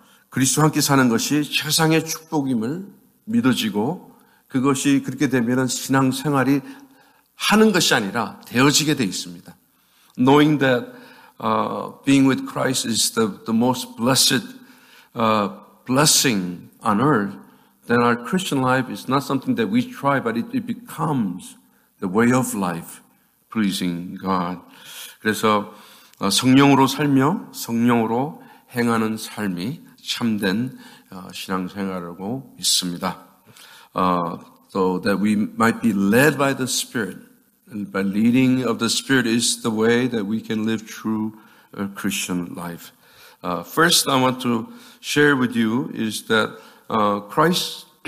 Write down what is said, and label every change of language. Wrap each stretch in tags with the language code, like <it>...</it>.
<ko>그리스도와 함께 사는 것이 최상의 축복임을 믿어지고 그것이 그렇게 되면 신앙 생활이 하는 것이 아니라 되어지게 돼 있습니다.</ko> <en>Knowing that being with Christ is the most blessed blessing on earth, then our Christian life is not something that we try, but it becomes the way of life, pleasing God.</en> <ko>그래서 성령으로 살며 성령으로 행하는 삶이 참된 신앙생활이라고 믿습니다.</ko> <en>So that we might be led by the Spirit. And by leading of the Spirit is the way that we can live true Christian life. First, I want to share with you is that Christ.</en>